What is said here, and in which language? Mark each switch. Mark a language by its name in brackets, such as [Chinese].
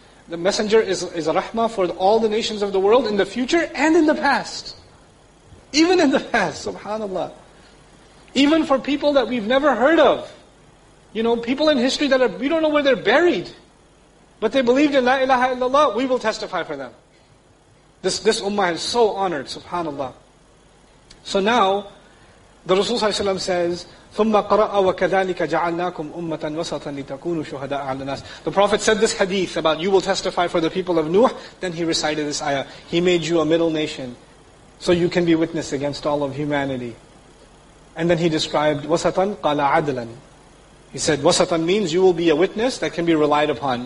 [English] The messenger is a rahmah for all the nations of the world in the future and in the past. Even in the past, subhanAllah. Even for people that we've never heard of. You know, people in history that are, we don't know where they're buried. But they believed in La ilaha illallah, we will testify for them. This ummah is so honored, subhanAllah. So now, the Rasulullah ﷺ says, [Arabic] ثُمَّ قَرَأَ وَكَذَلِكَ جَعَلْنَاكُمْ أُمَّةً وَسَطًا لِتَكُونُوا شُهَدَاءَ عَلَى النَّاسِ. [English] The Prophet said this hadith about you will testify for the people of Nuh, then he recited this ayah. He made you a middle nation, so you can be witness against all of humanity. And then he described, [Arabic] وَسَطًا قَالَ عَدْلًا. [English] He said, وَسَطًا means you will be a witness that can be relied upon.